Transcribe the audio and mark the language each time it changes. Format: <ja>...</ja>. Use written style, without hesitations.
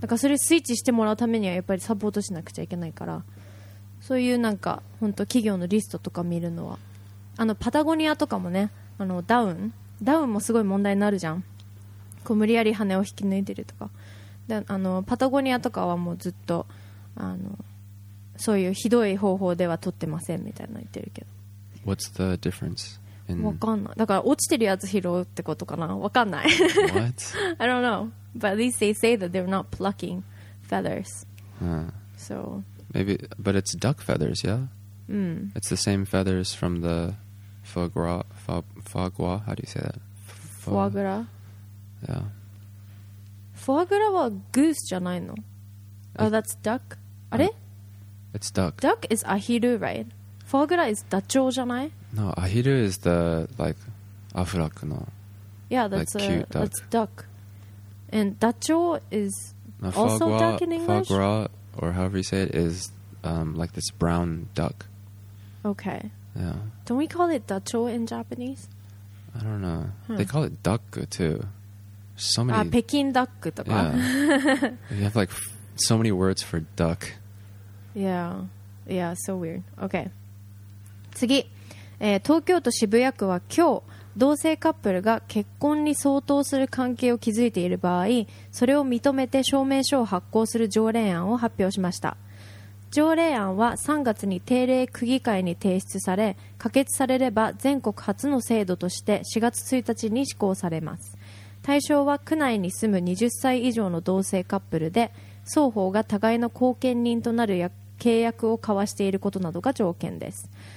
<ja>だからそれスイッチしてもらうためにはやっぱりサポートしなくちゃいけないからそういうなんか本当企業のリストとか見るのはあのパタゴニアとかもねあのダウンもすごい問題になるじゃんこう無理やり羽を引き抜いてるとかであのパタゴニアとかはもうずっとあのそういうひどい方法では取ってませんみたいなの言ってるけど</ja> <en>What's the difference?</en> <ja>わかんない。だから落ちてるやつ拾うってことかな。わかんない。</ja> <en>What? I don't know. But at least they say that they're not plucking feathers. Huh. So. Maybe, but it's duck feathers, yeah? Mm. It's the same feathers from the foie gras, foie gras, how do you say that? Foie gras? Yeah.</en> <ja>Foie gras は goose じゃないの?</ja> <en>Oh, that's duck?</en> <ja>あれ?</ja> <en>It's duck. Duck is ahiru, right?</en> <ja>フォアグラはダチョウじゃない?</ja> <en>No, アヒル is the, like, アフラックの Yeah, that's, like, cute duck. That's duck. And ダチョウ is also duck in English? フォアグラ, or however you say it, is, like, this brown duck. Okay. Yeah. Don't we call it ダチョウ in Japanese? I don't know. Huh. They call it duck, too. So many...</en> <ja>ペキンダックとか。</ja> <en>Yeah. You have, like, so many words for duck. Yeah. Yeah, so weird. Okay.</en> <ja>次、東京都渋谷区は今日同性カップルが結婚に相当する関係を築いている場合それを認めて証明書を発行する条例案を発表しました条例案は3月に定例区議会に提出され可決されれば全国初の制度として4月1日に施行されます対象は区内に住む20歳以上の同性カップルで双方が互いの後見人となる契約を交わしていることなどが条件です</ja>